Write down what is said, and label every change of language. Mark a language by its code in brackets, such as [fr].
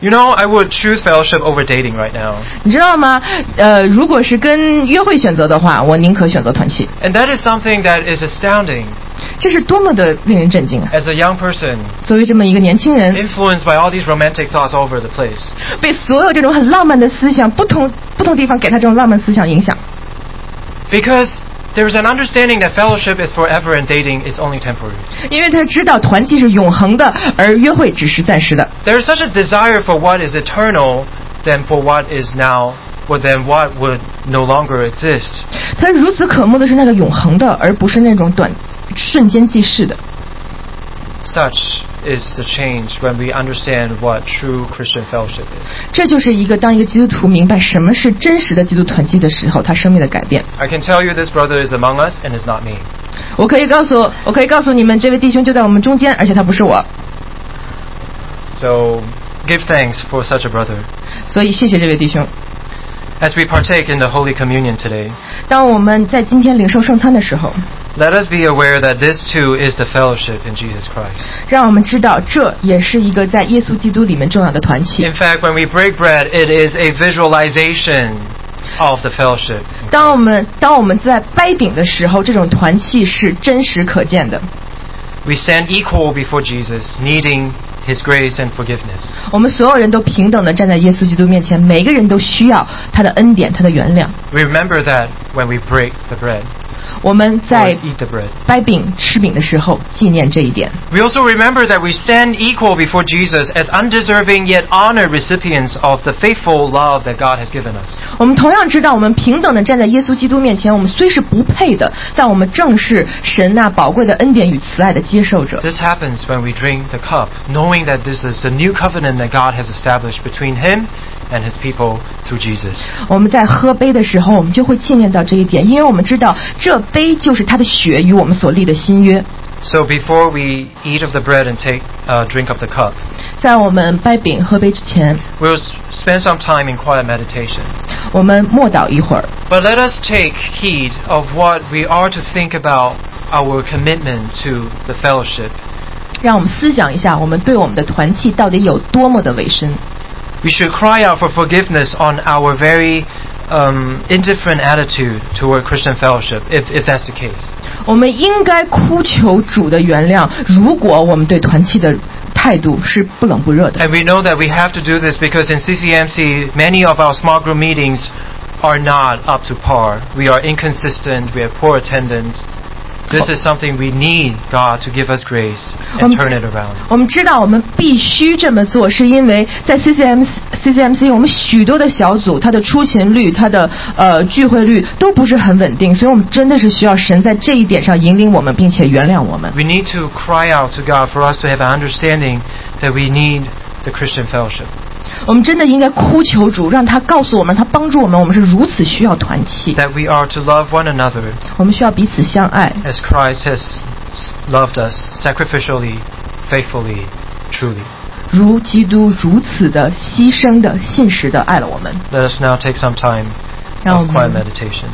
[en] You know, I would choose fellowship over dating right now. [zh] 你知道吗？如果是跟约会选择的话，我宁可选择团契。 [en] And that is something that is astounding. [zh] 这是多么的令人震惊啊！ [en] As a young person, [zh] 作为这么一个年轻人， [en] influenced by all these romantic thoughts all over the place. [zh] 被所有这种很浪漫的思想，不同地方给他这种浪漫思想影响。 [en] Because There is an understanding that fellowship is forever and dating is only temporary. [zh] 因为他知道团契是永恒的，而约会只是暂时的。 [en] There is such a desire for what is eternal than for what is now, or than what would no longer exist. [zh] 他如此渴慕的是那个永恒的，而不是那种短瞬间即逝的。 [en] Such is the change when we understand what true Christian fellowship is. [zh] 这就是一个当一个基督徒明白什么是真实的基督团契的时候，他生命的改变。 [en] I can tell you this brother is among us and is not me. [zh] 我可以告诉你们，这位弟兄就在我们中间，而且他不是我。 [en] So give thanks for such a brother. [zh] 所以谢谢这位弟兄。 [en] As we partake in the Holy Communion today, [zh] 当我们在今天领受圣餐的时候， [en] let us be aware that this too is the fellowship in Jesus Christ. [zh] 让我们知道这也是一个在耶稣基督里面重要的团契。 [en] In fact, when we break bread, it is a visualization of the fellowship. [zh] 当我们在掰饼的时候，这种团契是真实可见的。 [en] We stand equal before Jesus, needing His grace and forgiveness. [zh] 我们所有人都平等地站在耶稣基督面前，每个人都需要他的恩典，他的原谅。 [en] We remember that when we break the bread. [zh] 我们在掰饼吃饼的时候纪念这一点。 [en] We also remember that we stand equal before Jesus as undeserving yet honored recipients of the faithful love that God has given us. [zh] 我们同样知道，我们平等地站在耶稣基督面前，我们虽是不配的，但我们正是神那宝贵的恩典与慈爱的接受者。 [en] This happens when we drink the cup, knowing that this is the new covenant that God has established between Him and His people through Jesus. [zh] 我们在喝杯的时候，我们就会纪念到这一点，因为我们知道这杯就是他的血与我们所立的新约。 [en] So before we eat of the bread and take drink of the cup, [zh] 在我们掰饼喝杯之前， [en] we'll spend some time in quiet meditation. [zh] 我们默祷一会儿。 [en] But let us take heed of what we are to think about our commitment to the fellowship. [zh] 让我们思想一下，我们对我们的团契到底有多么的委身。 [en] We should cry out for forgiveness on our very, indifferent attitude toward Christian fellowship, if that's the case. [zh] 我们应该哭求主的原谅，如果我们对团契的态度是不冷不热的。 [en] And we know that we have to do this because in CCMC, many of our small group meetings are not up to par. We are inconsistent. We have poor attendance. This is something we need God to give us grace and turn it around. [zh] 我们知道我们必须这么做，是因为在 CCMC 我们许多的小组，它的出勤率、它的聚会率都不是很稳定，所以我们真的是需要神在这一点上引领我们，并且原谅我们。 [en] We need to cry out to God for us to have an understanding that we need the Christian fellowship. [zh] 我们真的应该哭求主，让他告诉我们，他帮助我们，我们是如此需要团契。 [en] That we are to love one another. [zh] 我们需要彼此相爱。 [en] As Christ has loved us sacrificially, faithfully, truly. [zh] 如基督如此的牺牲的信实的爱了我们。 [en] Let us now take some time of quiet meditation.